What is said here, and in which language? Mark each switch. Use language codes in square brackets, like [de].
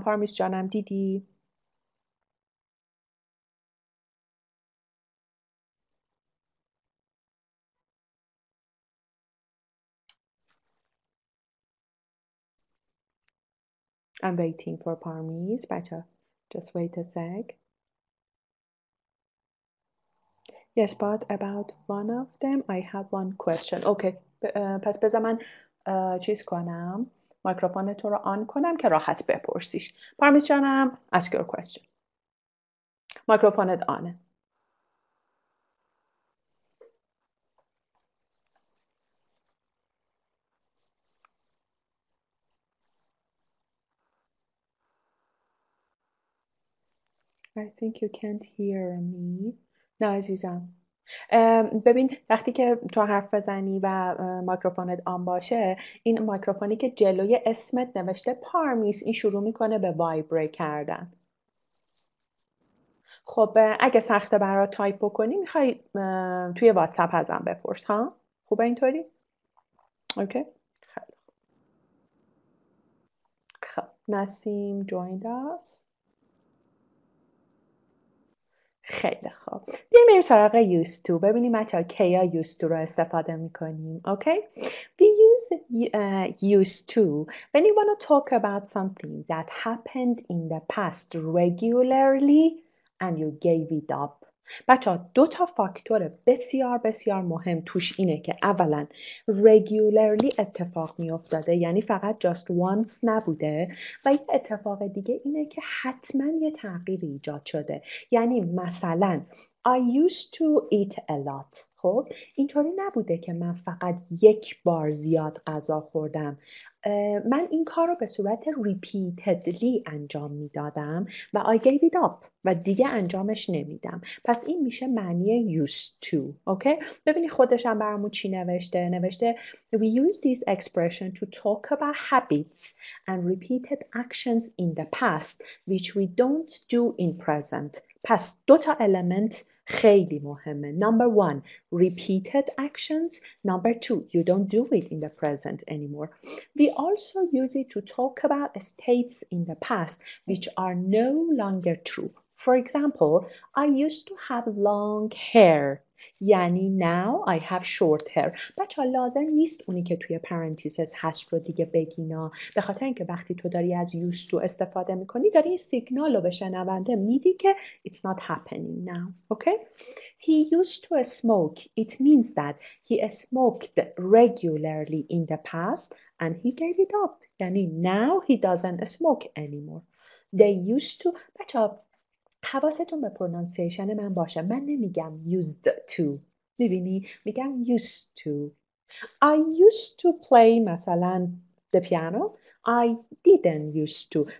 [en] Parmis [fa] جانم دیدی؟ [en] I'm waiting for Parmis. Bacha, just wait a sec. Yes, but about one of them, I have one question. [fa] Okay, پس بذار من چیز کنم. میکروفون تو رو آن کنم که راحت بپرسیش. [en] Parmis [fa] جانم, [en] ask your question. [fa] میکروفونت آنه. [en] I think you can't hear me. [fa] نه عزیزم. ببین وقتی که تو حرف بزنی و میکروفونت آن باشه این میکروفونی که جلوی اسمت نوشته پارمیس این شروع میکنه به وایبره کردن. خب اگه سخته برای تایپ بکنی میخوای توی واتساپ ازم بپرس ها؟ خوبه اینطوری؟ اوکی؟ خیلی خب. [en] نسیم جویند آس. [fa] خیلی خوب. بیایم بریم سراغ used to. ببینیم بچه ها کیا used to رو استفاده میکنیم. [en] Okay? We use used to when you want to talk about something that happened in the past regularly and you gave it up. [fa] بچه ها دو تا فاکتور بسیار بسیار مهم توش اینه که اولا regularly اتفاق می افتاده یعنی فقط [en] just once [fa] نبوده و یه اتفاق دیگه اینه که حتما یه تغییری ایجاد شده یعنی مثلا [en] I used to eat a lot. [fa] خب اینطوری نبوده که من فقط یک بار زیاد غذا خوردم. من این کار رو به صورت repeatedly انجام میدادم و [en] I gave it up [fa] و دیگه انجامش نمیدم. پس این میشه معنی used to. اوکی؟ ببینی خودش هم برامون چی نوشته. نوشته [en] We use this expression to talk about habits and repeated actions in the past which we don't do in present. [fa] پس دو تا element خیلی مهمه. [en] Number one, repeated actions. Number two, you don't do it in the present anymore. We also use it to talk about states in the past which are no longer true. For example, I used to have long hair. [fa] یعنی [en] now I have short hair. [fa] بچه ها لازم نیست اونی که توی parentheses هست رو دیگه بگینا. به خاطر اینکه وقتی تو داری از used to استفاده میکنی داری این سیگنال رو به شنونده میدی که [en] it's not happening now. Okay? He used to smoke. It means that he smoked regularly in the past and he gave it up. [fa] یعنی [en] now he doesn't smoke anymore. They used to... [fa] بچه ها حواستون به پرونانسیشن من باشه. من نمیگم used to. میبینی؟ میگم used to. [en] I used to play [fa] مثلا [en] the piano. I didn't used to.